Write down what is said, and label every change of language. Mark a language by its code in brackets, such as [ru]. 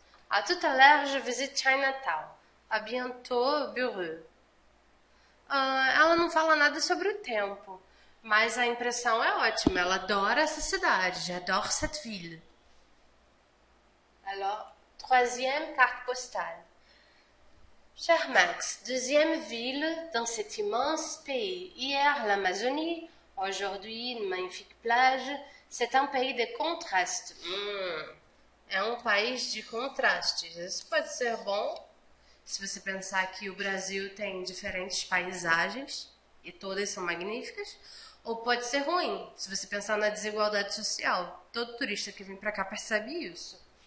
[fr] À tout à l'heure, je visite Chinatown. À bientôt, Bureau. [pt] Ela não fala nada sobre o tempo. Mas a impressão é ótima, ela adora essa cidade, [fr] j'adore cette ville. Alors, troisième carte postale. Cher Max, deuxième ville dans cet immense pays. Hier, l'Amazonie, aujourd'hui, une magnifique plage. C'est un pays de contraste. [pt] É um país de contrastes. Isso pode ser bom se você pensar que o Brasil tem diferentes paisagens e todas são magníficas. Ou pode ser ruim, se você pensar na desigualdade social. Todo turista que vem para cá percebe isso.